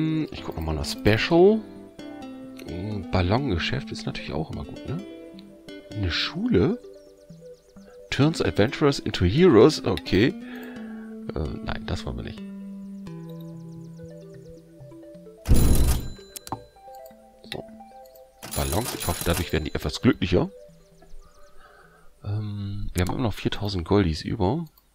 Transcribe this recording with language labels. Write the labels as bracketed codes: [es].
[de] Ich gucke nochmal nach Special. Ballongeschäft ist natürlich auch immer gut, ne? Eine Schule? [en] Turns Adventurers into Heroes? [de] Okay. Nein, das wollen wir nicht. So. Ballons, ich hoffe, dadurch werden die etwas glücklicher. Wir haben immer noch 4000 Goldies über.